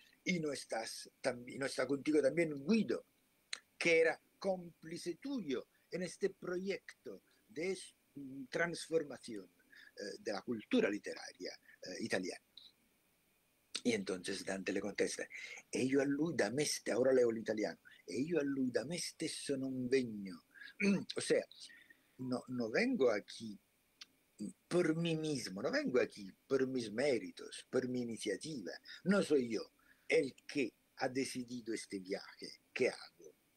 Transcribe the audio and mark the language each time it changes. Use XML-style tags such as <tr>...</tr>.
<es>Y no estás también, no está contigo también Guido, que era cómplice tuyo en este proyecto de transformación de la cultura literaria italiana. Y entonces Dante le contesta,</es> <it>e io a lui da me stesso,</it> <es>ahora leo el italiano,</es> <it>e io a lui da me stesso non vengo.</it> <es>O sea, no, no vengo aquí por mí mismo, no vengo aquí por mis méritos, por mi iniciativa, no soy yo el que ha decidido este viaje que hago.</es>